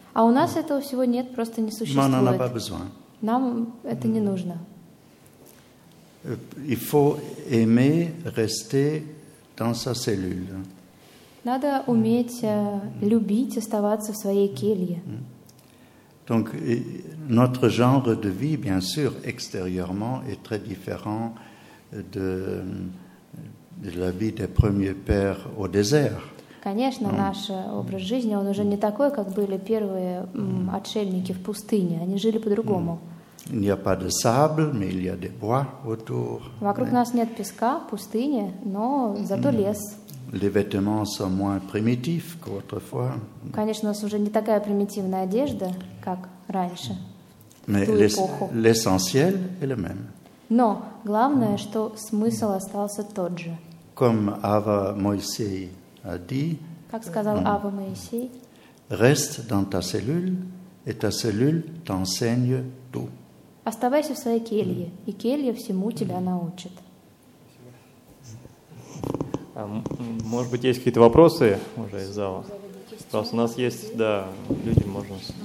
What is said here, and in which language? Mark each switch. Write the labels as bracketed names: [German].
[Russian] А у нас этого всего нет, просто не существует. [French] Mais on en a pas besoin. [Russian] Нам это не нужно. [French] Il faut aimer rester dans sa cellule. [Russian] Надо уметь любить, оставаться в своей келье. [French] Donc notre genre de vie, bien sûr, extérieurement, est très différent de la vie des premiers pères au désert. [Russian] Конечно, наш образ жизни, он уже не такой, как были первые отшельники в пустыне. Они жили по-другому. [French] Il n'y a pas de sable, mais il y a des bois autour. [Russian] Вокруг нас нет песка, пустыня, но зато лес. [French] Les vêtements sont moins primitifs qu'autrefois. [Russian] Конечно, у нас уже не такая примитивная одежда, как раньше. [French] Mais l'essentiel est le même. [Russian] Но главное, что смысл остался тот же. [French] Comme Ава Моисей a dit. [Russian] Как сказал Ава Моисей? [French] Reste dans ta cellule et ta cellule t'enseigne tout. [Russian] Оставайся в своей келье, и келья всему тебя научит. Может быть, есть какие-то вопросы уже из зала? Просто у нас есть, да, люди, можно.